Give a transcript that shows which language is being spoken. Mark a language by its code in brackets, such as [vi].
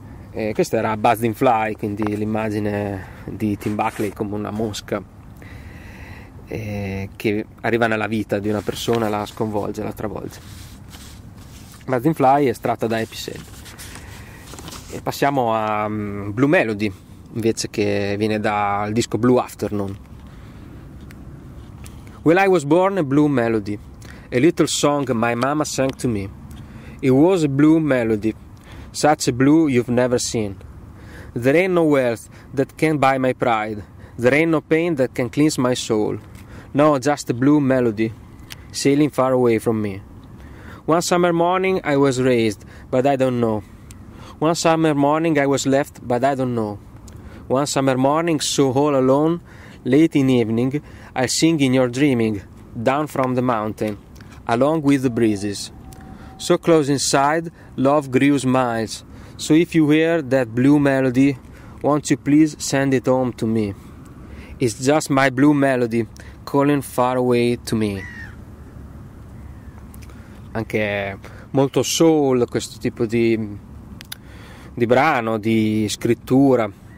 [it] E questa era Buzzing Fly, quindi l'immagine di Tim Buckley come una mosca che arriva nella vita di una persona, la sconvolge, la travolge. Buzzing Fly è estratta da Happy Sad. E passiamo a Blue Melody, invece, che viene dal disco Blue Afternoon. [en] Well, I was born a blue melody, a little song my mama sang to me. It was a blue melody, such a blue you've never seen. There ain't no wealth that can buy my pride. There ain't no pain that can cleanse my soul. No, just a blue melody, sailing far away from me. One summer morning I was raised, but I don't know. One summer morning I was left, but I don't know. One summer morning, so all alone, late in evening, I'll sing in your dreaming, down from the mountain, along with the breezes. So close inside, love grew smiles. So if you hear that blue melody, won't you please send it home to me? It's just my blue melody, calling far away to me. [it] Anche molto soul questo tipo di brano, di scrittura.